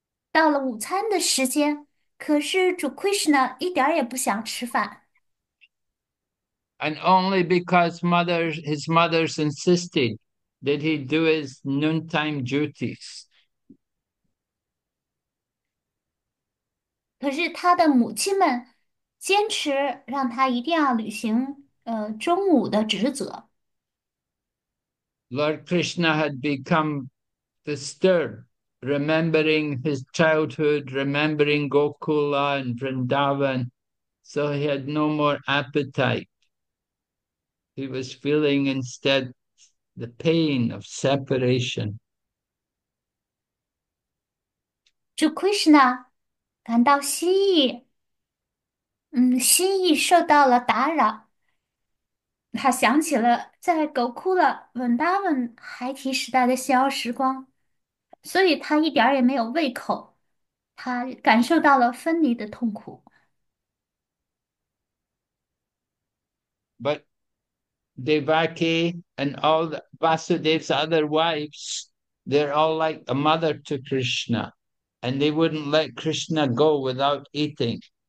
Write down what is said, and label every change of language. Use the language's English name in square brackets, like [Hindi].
[Chinese] 到了午餐的时间，可是主 Krishna 一点儿也不想吃饭。 [English] And only because his mothers insisted, did he do his noontime duties. [Chinese] 可是他的母亲们坚持让他一定要履行中午的职责。 [English] Lord Krishna had become disturbed, remembering his childhood, remembering Gokula and Vrindavan, so he had no more appetite. He was feeling instead the pain of separation. [Chinese] 主 Krishna 感到心意受到了打扰。他想起了在狗哭了文达文孩提时代的逍遥时光，所以他一点儿也没有胃口，他感受到了分离的痛苦。 [English] But Devaki and all the Vasudev's other wives, they're all like a mother to Krishna, and they wouldn't let Krishna go without eating.